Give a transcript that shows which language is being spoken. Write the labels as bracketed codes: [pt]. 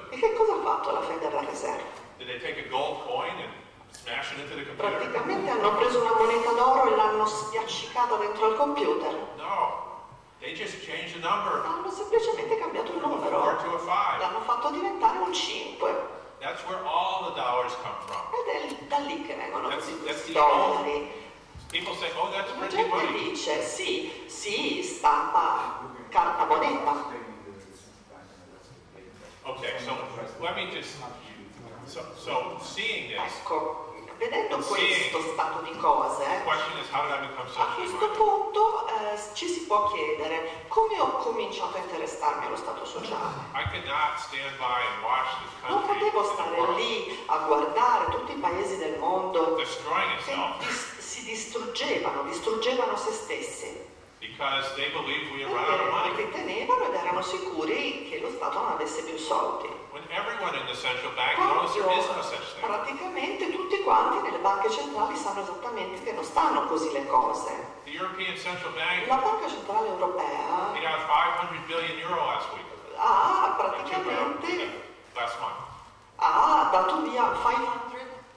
[it] E che cosa ha fatto la Federal Reserve? [en] Did they take a gold coin and smash it into the computer? [it] Praticamente hanno preso una moneta d'oro e l'hanno spiaccicata dentro al computer. [en] No, they just changed the number. [it] Hanno semplicemente cambiato il numero. [en] From a 4 to a 5. [it] L'hanno fatto diventare un 5. [en] That's where all the dollars come from. [it] Ed è da lì che vengono questi dollari. [en] People say, oh, that's pretty money. [it] La gente dice, sì, stampa carta moneta. [en] Okay, so let me just so seeing this. [it] Ecco, vedendo questo stato di cose. [en] The question is, how did I become so [it] a questo punto ci si può chiedere come ho cominciato a interessarmi allo stato sociale. [en] I could not stand by and watch this country. [it] Non potevo stare lì a guardare tutti i paesi del mondo [en] destroying itself. [it] Che si distruggevano se stessi. [en] Because they believed we had run out of money. [it] Perché tenevano ed erano sicuri che lo Stato non avesse più soldi. [en] When everyone in the central bank knows there is no such thing. [it] Praticamente tutti quanti nelle banche centrali sanno esattamente che non stanno così le cose. [en] The European Central Bank, [it] la Banca Centrale Europea, [en] it had 500 billion euro last week. [it] Ah, praticamente [en] last month. [it] Ah, dato via 500